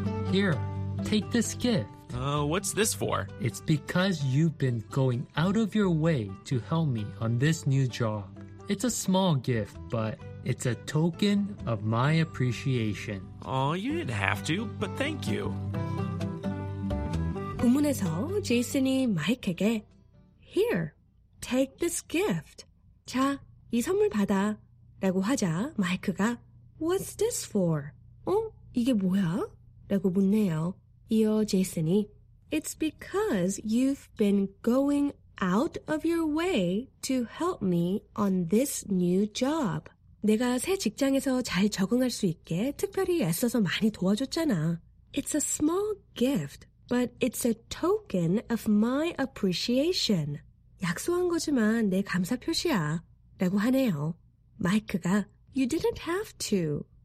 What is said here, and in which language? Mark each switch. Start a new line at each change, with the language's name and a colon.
English: Here, take this gift. What's this for? It's because you've been going out of your way to help me on this new job. It's a small gift, but it's a token of my appreciation. Oh, you didn't have to, but thank you.
Korean: 구문에서 제이슨이 마이크에게
English: Here. Take this gift.
Korean: 자, 이 선물 받아. 라고 하자 마이크가
English: What's this for?
Korean: 어? 이게 뭐야? 라고 묻네요. 이어 제이슨이
English: It's because you've been going out of your way to help me on this new job.
Korean: 내가 새 직장에서 잘 적응할 수 있게 특별히 애써서 많이 도와줬잖아.
English: It's a small gift, but it's a token of my appreciation.
Korean: 약속한 거지만 내 감사 표시야 라고 하네요. 마이크가
English: You didn't have to.